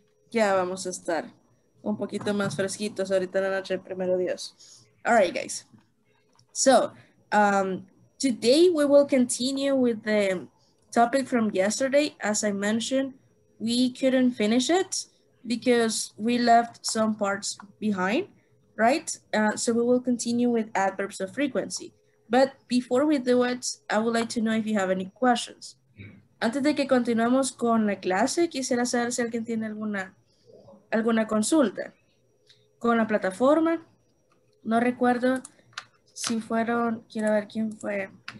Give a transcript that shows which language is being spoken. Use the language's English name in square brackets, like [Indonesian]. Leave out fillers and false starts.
[Spanish] Ya vamos a estar un poquito más fresquitos ahorita en la noche, primero Dios. [English] All right, guys. So, today we will continue with the topic from yesterday, as I mentioned. We couldn't finish it because we left some parts behind, right? So we will continue with adverbs of frequency. But before we do it, I would like to know if you have any questions. [Spanish] Antes de que continuemos con la clase, quisiera saber si alguien tiene alguna consulta con la plataforma. No recuerdo si fueron, quiero ver quién fue.